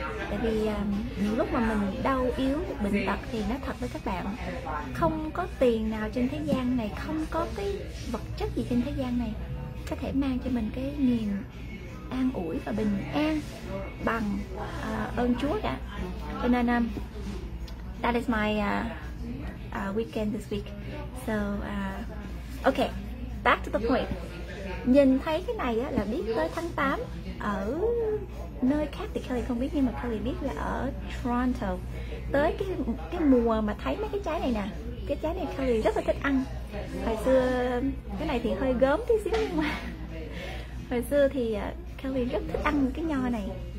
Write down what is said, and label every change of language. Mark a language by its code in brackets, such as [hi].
[vi] Tại vì những lúc mà mình đau yếu, bệnh tật, thì nói thật với các bạn, không có tiền nào trên thế gian này, không có cái vật chất gì trên thế gian này có thể mang cho mình cái niềm an ủi và bình an bằng ơn Chúa cả. Cho nên [en] that is my weekend this week. So okay, back to the point. [vi] Nhìn thấy cái này á, là biết tới tháng 8. Ở nơi khác thì Kelly không biết, nhưng mà Kelly biết là ở Toronto, tới cái mùa mà thấy mấy cái trái này nè, cái trái này Kelly rất là thích ăn. Hồi xưa cái này thì hơi gớm tí xíu, nhưng mà hồi xưa thì Kelly rất thích ăn cái nho này.